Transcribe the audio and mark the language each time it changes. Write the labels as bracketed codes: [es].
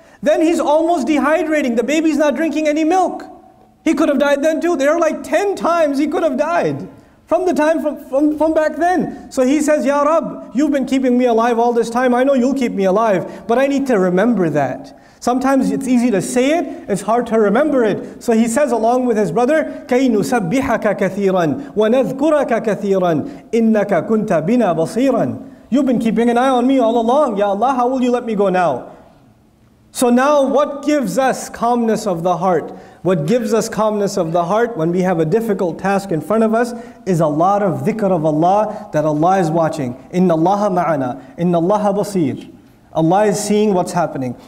[en] Then he's almost dehydrating, the baby's not drinking any milk. He could have died then too. There are like 10 times he could have died. From the time from back then. So he says, Ya Rab, you've been keeping me alive all this time. I know you'll keep me alive, but I need to remember that. Sometimes it's easy to say it, it's hard to remember it. So he says along with his brother, [ar] كَيْ نُسَبِّحَكَ كَثِيرًا وَنَذْكُرَكَ كَثِيرًا إِنَّكَ كُنْتَ بِنَا بَصِيرًا. [en] You've been keeping an eye on me all along. Ya Allah, how will you let me go now? So now what gives us calmness of the heart? What gives us calmness of the heart when we have a difficult task in front of us is a lot of dhikr of Allah, that Allah is watching. [ar] Inna Allaha ma'ana, inna Allaha basir. [en] Allah is seeing what's happening.